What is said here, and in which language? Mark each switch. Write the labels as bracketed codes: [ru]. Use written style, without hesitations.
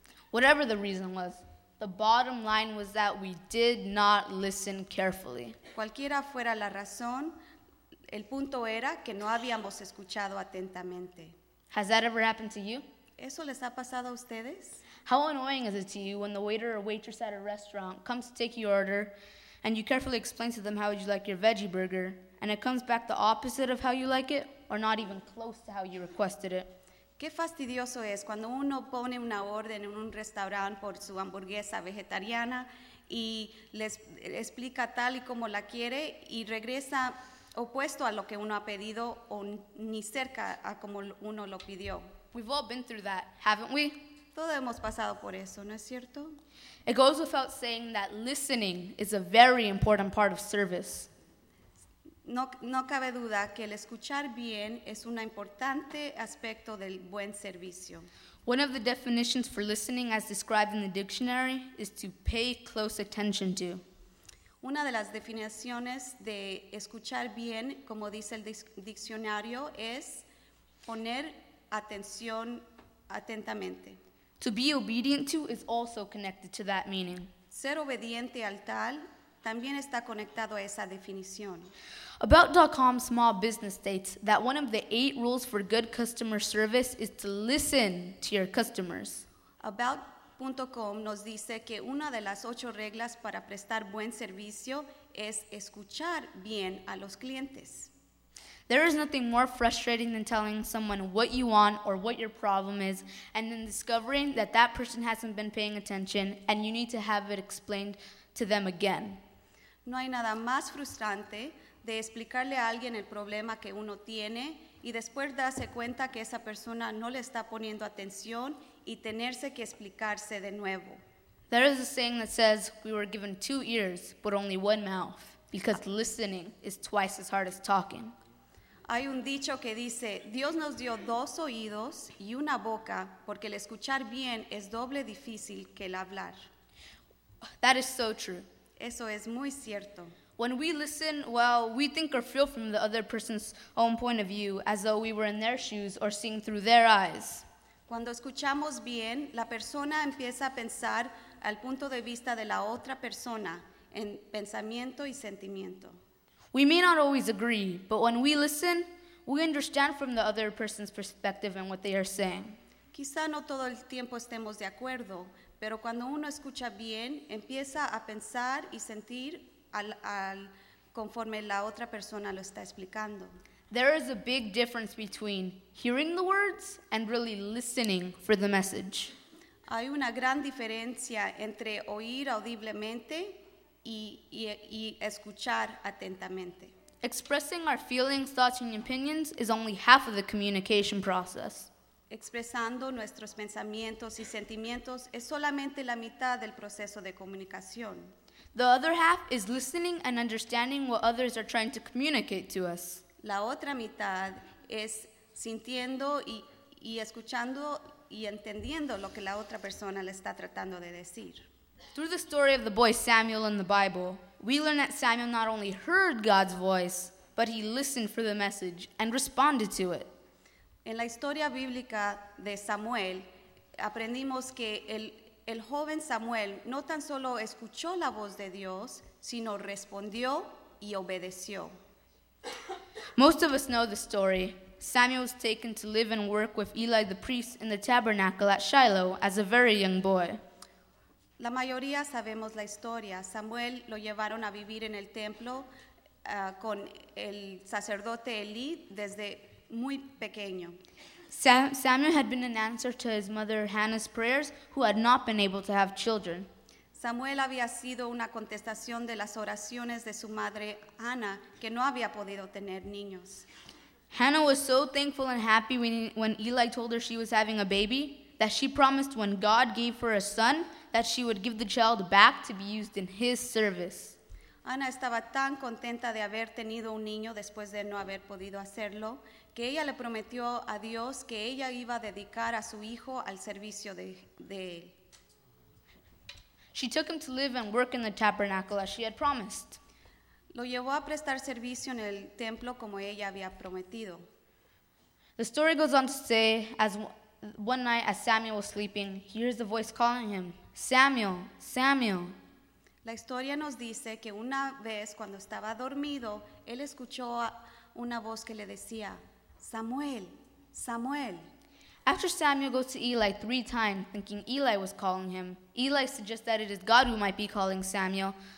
[en] Whatever the reason was, the bottom line was that we did not listen carefully. [es] Cualquiera fuera la razón, el punto era que no habíamos escuchado atentamente. [en] Has that ever happened to you? [es] ¿Eso les ha pasado a ustedes? [en] How annoying is it to you when the waiter or waitress at a restaurant comes to take your order and you carefully explain to them how would you like your veggie burger and it comes back the opposite of how you like it or not even close to how you requested it? [es] ¿Qué fastidioso es cuando uno pone una orden en un restaurante por su hamburguesa vegetariana y les explica tal y como la quiere y regresa opuesto a lo que uno ha pedido o ni cerca a como uno lo pidió? [en] We've all been through that, haven't we? [es] Todos hemos pasado por eso, ¿no es cierto? [en] It goes without saying that listening is a very important part of service. [es] No cabe duda que el escuchar bien es un importante aspecto del buen servicio. [en] One of the definitions for listening as described in the dictionary is to pay close attention to. [es] Una de las definiciones de escuchar bien, como dice el diccionario, es poner atención atentamente. [en] To be obedient to is also connected to that meaning. [es] Ser obediente al tal también está conectado a esa definición. [en] About.com Small Business states that one of the 8 rules for good customer service is to listen to your customers. [es] About.com nos dice que una de las 8 reglas para prestar buen servicio es escuchar bien a los clientes. [en] There is nothing more frustrating than telling someone what you want or what your problem is and then discovering that that person hasn't been paying attention and you need to have it explained to them again. [es] No hay nada más frustrante de explicarle a alguien el problema que uno tiene y después darse cuenta que esa persona no le está poniendo atención y tenerse que explicarse de nuevo. [en] There is a saying that says we were given 2 ears but only 1 mouth because listening is twice as hard as talking. [es] Hay un dicho que dice, Dios nos dio 2 oídos y una boca, porque el escuchar bien es doble difícil que el hablar. [en] That is so true. [es] Eso es muy cierto. [en] When we listen, well, we think or feel from the other person's own point of view, as though we were in their shoes or seeing through their eyes. [es] Cuando escuchamos bien, la persona empieza a pensar al punto de vista de la otra persona, en pensamiento y sentimiento. [en] We may not always agree, but when we listen, we understand from the other person's perspective and what they are saying. [es] Quizá no todo el tiempo estemos de acuerdo, pero cuando uno escucha bien, empieza a pensar y sentir al conforme la otra persona lo está explicando. [en] There is a big difference between hearing the words and really listening for the message. [es] Hay una gran diferencia entre oír audiblemente y escuchar atentamente. [en] Expressing our feelings, thoughts, and opinions is only half of the communication process. [es] Expresando nuestros pensamientos y sentimientos es solamente la mitad del proceso de comunicación. [en] The other half is listening and understanding what others are trying to communicate to us. [es] La otra mitad es sintiendo y escuchando y entendiendo lo que la otra persona le está tratando de decir. [en] Through the story of the boy Samuel in the Bible, we learn that Samuel not only heard God's voice, but he listened for the message and responded to it. [es] En la historia bíblica de Samuel, aprendimos que el joven Samuel no tan solo escuchó la voz de Dios, sino respondió y obedeció. [en] Most of us know the story. Samuel was taken to live and work with Eli the priest in the tabernacle at Shiloh as a very young boy. [es] La mayoría sabemos la historia. Samuel lo llevaron a vivir en el templo con el sacerdote Eli desde muy pequeño. [en] Samuel had been an answer to his mother Hannah's prayers, who had not been able to have children. [es] Samuel había sido una contestación de las oraciones de su madre Ana, que no había podido tener niños. [en] Hannah was so thankful and happy when Eli told her she was having a baby that she promised when God gave her a son that she would give the child back to be used in his service. [es] Ana estaba tan contenta de haber tenido un niño después de no haber podido hacerlo que ella le prometió a Dios que ella iba a dedicar a su hijo al servicio de él. [en] She took him to live and work in the tabernacle as she had promised. [es] Lo llevó a prestar servicio en el templo como ella había prometido. [en] The story goes on to say, as one night as Samuel was sleeping, he hears a voice calling him, Samuel, Samuel. [es] La historia nos dice que una vez cuando estaba dormido, él escuchó una voz que le decía, Samuel, Samuel. [en] After Samuel goes to Eli three times, thinking Eli was calling him, Eli suggests that it is God who might be calling Samuel.